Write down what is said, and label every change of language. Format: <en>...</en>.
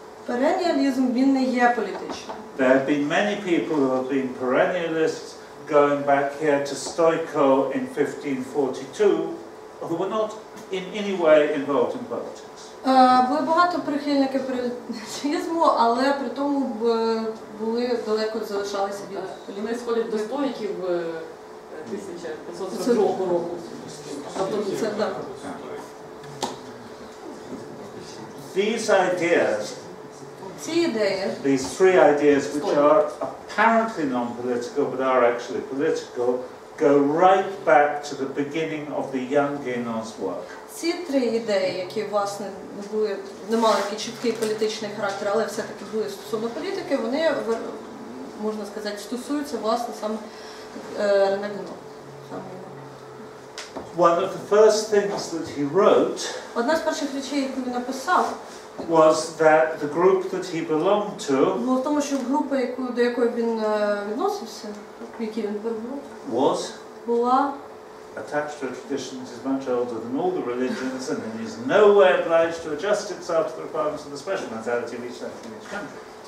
<uk>Перенніалізм, він не є політичним.</uk> <en>There have been many people who have been perennialists going back here to Stoico in 1542, who were not in any way involved in politics.</en> <uk>Були багато прихильників перенніалізму, але при тому були далеко залишалися від політики. До стоїків 1542 року. Тобто це так.</uk> <en>These ideas,</en> <uk>ці ідеї,</uk> <en>these three ideas, which are apparently non-political but are actually political, go right back to the beginning of the young Генон's work.</en> <uk>Ці три ідеї, які власне не мали такий чіткий політичний характер, але все-таки були стосовно політики, вони, можна сказати, стосуються власне саме Рене Генона.</uk> <en>One of the first things that he wrote,</en> <uk>одна з перших речей, яку він написав,</uk> <en>was that the group that he belonged to,</en> <uk>в тому, що група, до якої він відносився, в якій він перебував,</uk> <en>was</en> <uk>була</uk> <en>attached to a tradition that is much older than all the religions and is nowhere obliged to adjust itself to the requirements of the special mentality of each country.</en>